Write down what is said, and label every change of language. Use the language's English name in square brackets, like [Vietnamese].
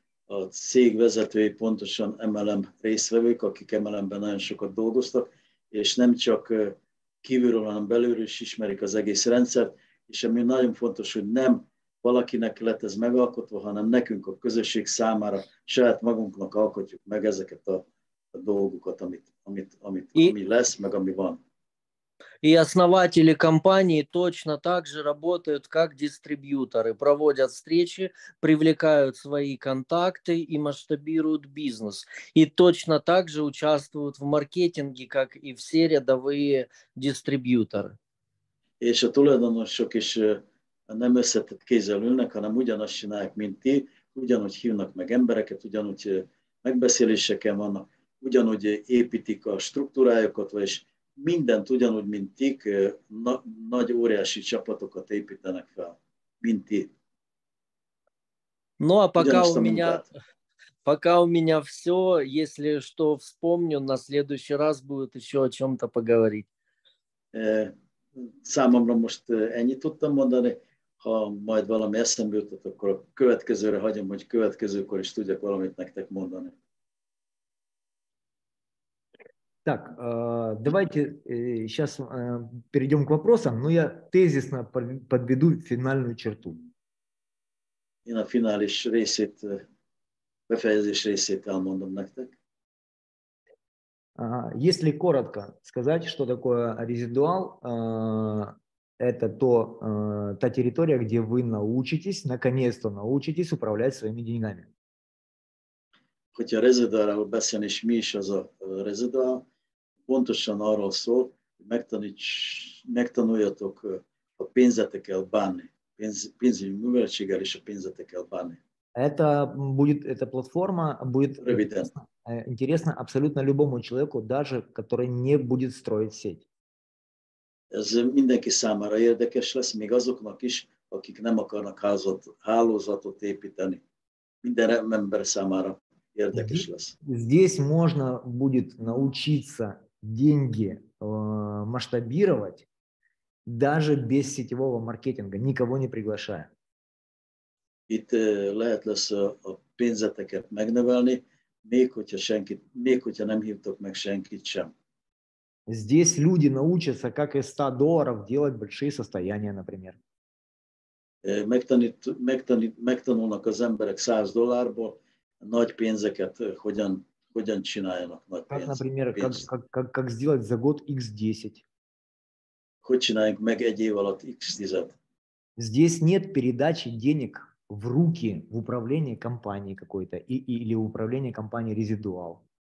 [Hungarian] A cég vezetői pontosan MLM résztvevők, akik MLM-ben nagyon sokat dolgoztak, és nem csak kívülről, hanem belülről is ismerik az egész rendszert, és ami nagyon fontos, hogy nem valakinek lett ez megalkotva, hanem nekünk a közösség számára, saját magunknak alkotjuk meg ezeket a dolgokat, ami lesz, meg ami van. [Russian] И основатели компании точно так же работают, как дистрибьюторы. Проводят встречи, привлекают свои контакты и масштабируют бизнес. И точно так же участвуют в маркетинге, как и все рядовые дистрибьюторы. И еще [Hungarian] tulajdonosok is nem összetett kézzel ülnek, hanem ugyanazt csinálják, mint ti, ugyanúgy hívnak meg embereket, ugyanúgy megbeszéléseken vannak, ugyanúgy építik a struktúrájukat, vagyis mindent ugyanúgy, mint tik, nagy óriási csapatokat építenek fel, mint ti. [Russian] No, пока у меня все, если что вспомню, на следующий раз будет еще о чем-то поговорить. [Hungarian] számomra most ennyit tudtam mondani. Ha majd valami eszembe jutott, akkor a következőre hagyom, hogy következőkor is tudjak valamit nektek mondani. [Russian] Так, давайте сейчас перейдем к вопросам, но я тезисно подведу финальную черту. [Hungarian] Én a finális részét, befejezés részét elmondom nektek. [Russian] Если коротко сказать, что такое резидуал, это то, та территория, где вы научитесь, наконец-то научитесь управлять своими деньгами. Хотя [Hungarian] резидуал, beszélni, mi is az a резидуал, pontosan arról szól, hogy megtanuljatok a pénzetekkel bánni, pénzügyi műveltséggel és a pénzetekkel bánni. [Russian] Это будет эта платформа будет интересна, интересна абсолютно любому человеку, даже который не будет строить сеть. [Hungarian] Ez mindenki számára érdekes lesz, még azoknak is, akik nem akarnak hálózatot építeni. Minden ember számára érdekes lesz. [Russian] Здесь можно будет научиться деньги масштабировать даже без сетевого маркетинга, никого не приглашая. [Hungarian] Itt lehet lesz a pénzeteket megnevelni, még hogyha nem hívtok meg senkit sem. [Russian] Здесь люди научатся, как из 100 долларов делать большие состояния, например. [Hungarian] Megtanulnak az emberek 100 dollárból nagy pénzeket, hogyan csináljanak nagy pénzt. [Russian] Как, например, как сделать за год X10. [Hungarian] Hogy csináljunk meg egy év alatt X10-et? [Russian] Здесь нет передачи денег в руки, в управление компанией какой-то или управление компанией Residual.